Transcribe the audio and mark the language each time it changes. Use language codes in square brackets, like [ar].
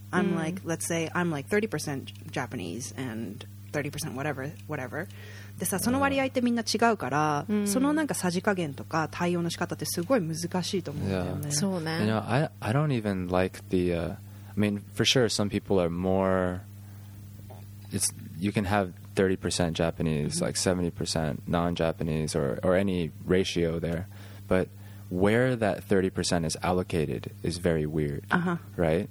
[en] I'm like, let's say I'm like 30% Japanese and 30% whatever, whatever. [ja] でさ、その割合ってみんな違うから、そのなんかさじ加減とか対応の仕方ってすごい難しいと思うんだよね。 [en] Yeah. [ja] そうね。 [en] You know, I don't even like the, I mean, for sure, some people are more, it's,You can have 30% Japanese, like 70% non-Japanese, or any ratio there. But where that 30% is allocated is very weird, right?